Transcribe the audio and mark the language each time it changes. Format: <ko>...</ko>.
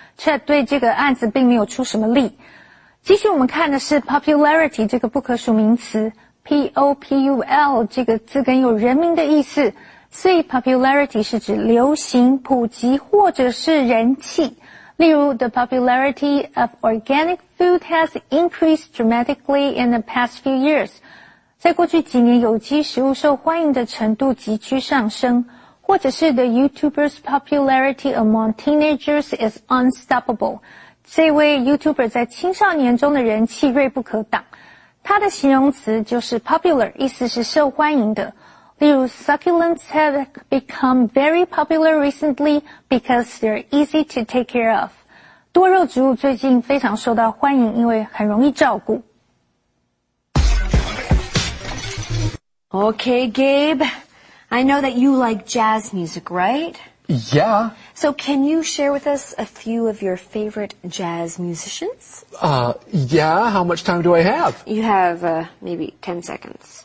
<zh>Chad 对这个案子并没有出什么力。继续我们看的是 popularity, 这个不可数名词。 P-O-P-U-L, 这个字根有人名的意思。所以 popularity 是指流行、普及或者是人气。例如</zh> <en>,the popularity of organic food has increased dramatically in the past few years.</en> <zh>在过去几年有机食物受欢迎的程度急剧上升。或者是</zh> <en>,the YouTuber's popularity among teenagers is unstoppable.</en> <zh>这位 YouTuber 在青少年中的人气锐不可挡。他的形容词就是 popular, 意思是受欢迎的。例如</zh> <en>,succulents have become very popular recently because they're easy to take care of.</en> <zh>多肉植物最近非常受到欢迎因为很容易照顾。</zh> <en>Okay, Gabe, I know that you like jazz music, right? Yeah. So can you share with us a few of your favorite jazz musicians? Yeah, how much time do I have? You have maybe 10 seconds.</en>